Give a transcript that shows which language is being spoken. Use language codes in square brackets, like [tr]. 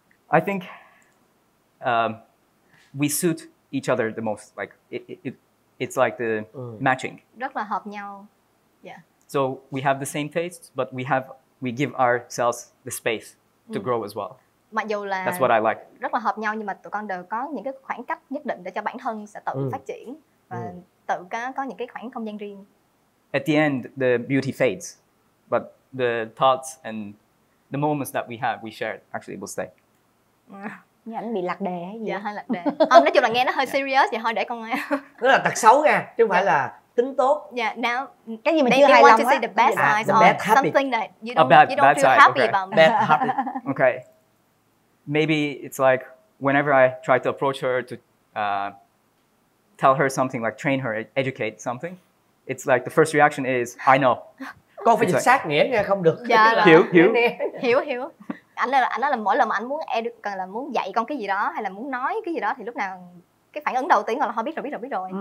[en] I think we suit each other the most. Like it's like the matching. [vi] Rất là hợp nhau. [en] Yeah. So we have the same taste, but we give ourselves the space to grow as well. [vi] Mặc dù là [en] that's what I like. [vi] Rất là hợp nhau, nhưng mà tụi con đều có những cái khoảng cách nhất định để cho bản thân sẽ tự phát triển và tự có những cái khoảng không gian riêng. [en] At the end, the beauty fades, but the thoughts and the moments that we have, we share, actually will stay. [vi] Như anh bị lạc đề hay gì? Dạ, hơi lạc đề. Không, nói chung là nghe nó hơi serious vậy, thôi để con nghe. Đó là tật xấu nha, chứ không phải là tính tốt. [en] Yeah, now [vi] cái gì mình chưa hài lòng á. [en] The bad side or bad something that you don't feel side, happy okay. about. Bad habit. Okay. Maybe it's like whenever I try to approach her to tell her something, like train her, educate something, it's like the first reaction is I know. [vi] Con phải dịch xác nghĩa nghe không được. Dạ, hiểu. Anh là mỗi lần mà anh muốn cần là muốn dạy con cái gì đó hay là muốn nói cái gì đó thì lúc nào cái phản ứng đầu tiên là thôi biết rồi.